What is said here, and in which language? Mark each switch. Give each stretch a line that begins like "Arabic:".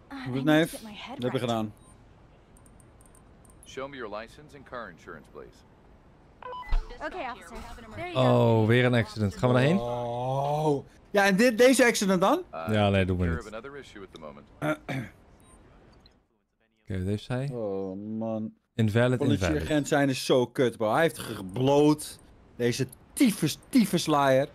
Dutch: Goed, neef. Dat heb je gedaan.
English: Show me your license and car insurance, please. Okay, officer.
Dutch: Oh, weer een accident. Gaan we daarheen? Oh. Ja, en dit, deze accident dan? Ja, nee, doen we niet. Oké, wat heeft zij? Oh, man.
English: Invalid, invalid.
Dutch: Politieagent zijn is zo kut, bro. Hij heeft gebloot. Deze tyfus, tyfuslaaier.